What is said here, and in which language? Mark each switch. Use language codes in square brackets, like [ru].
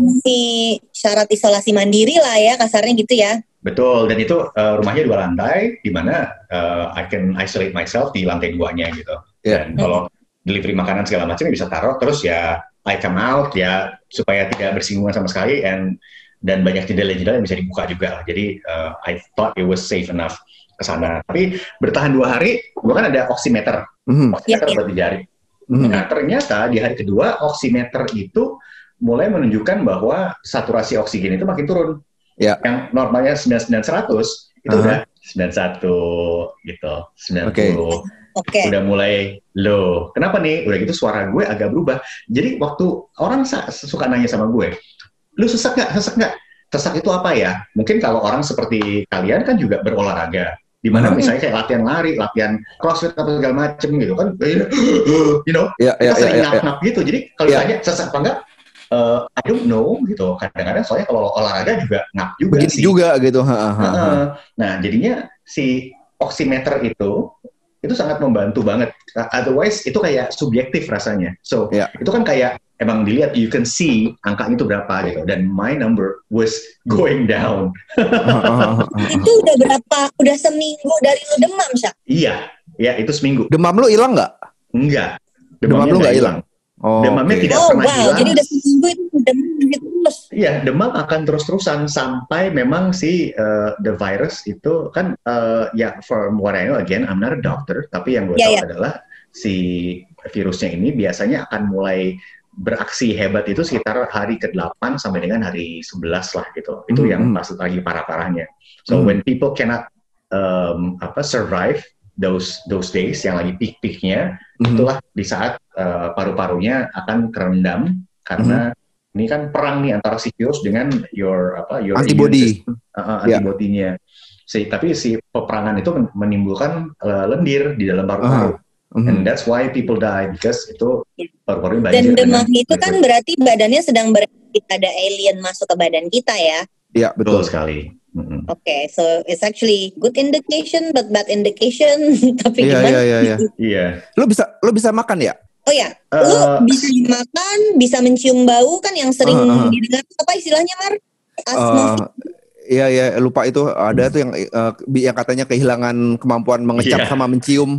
[id] memenuhi syarat isolasi mandiri lah ya, kasarnya gitu ya. Betul, dan itu rumahnya 2 lantai, di mana [en] I can isolate myself [id] di lantai 2-nya gitu, dan kalau delivery makanan segala macam ya bisa taruh, terus ya [en] I come out [id] ya supaya tidak bersinggungan sama sekali, dan banyak jendela-jendela yang bisa dibuka juga lah. [en] Jadi I thought it was safe enough [id] kesana. Tapi bertahan 2 hari, gue kan ada oximeter. Buat di jari. Nah ternyata di hari kedua, oximeter itu mulai menunjukkan bahwa saturasi oksigen itu makin turun. Yang normalnya 99-100, itu udah 91 gitu. 90. [en] Okay. [id] Udah mulai low. Kenapa nih? Udah gitu suara gue agak berubah. Jadi waktu orang suka nanya sama gue, lu sesak nggak? Sesak nggak? Sesak itu apa ya? Mungkin kalau orang seperti kalian kan juga berolahraga. Di mana misalnya kayak latihan lari, latihan crossfit atau segala macem gitu kan. Kita sering nap-nap. Gitu. Jadi kalau ditanya sesak apa nggak? [en] I don't know [id] gitu. Kadang-kadang soalnya kalau olahraga juga nap juga. Begitu sih. Juga gitu. Nah jadinya si oximeter itu sangat membantu banget. Otherwise itu kayak subjektif rasanya. So itu kan kayak emang dilihat, [en] you can see [id] angkanya itu berapa gitu. Dan [en] my number was going down. [id] Itu udah berapa? Udah seminggu dari lu demam, Syah? Iya. Ya, itu seminggu. Demam lu hilang nggak? Enggak. Demam lu nggak hilang? Oh, demamnya tidak pernah hilang. Jadi udah seminggu itu demam terus. Iya, demam akan terus-terusan sampai memang si [en] the virus [id] itu kan, [en] from what I know, again, I'm not a doctor, [id] tapi yang gue tahu adalah si virusnya ini biasanya akan mulai beraksi hebat itu sekitar hari ke-8 sampai dengan hari 11 lah gitu. Itu yang maksud lagi parah-parahnya. [en] So when people cannot survive those days [id] yang lagi peak-peaknya, itulah di saat paru-parunya akan kerendam karena ini kan perang nih antara si virus dengan [en] your antibody. [id] Antibodinya. Tapi si peperangan itu menimbulkan lendir di dalam paru-paru. [en] And that's why people die, because [id] itu paru-paru banjir. Dan demam itu kan berarti badannya sedang ada alien masuk ke badan kita ya? Iya, betul. Betul sekali. [en] Okay, so it's actually good indication, but bad indication. [id] Tapi gimana? Iya. Lu bisa makan ya? Oh iya, lu bisa makan, bisa mencium bau kan yang sering didengar. Apa istilahnya, Mar? Iya, lupa itu ada tuh yang katanya kehilangan kemampuan mengecap sama mencium.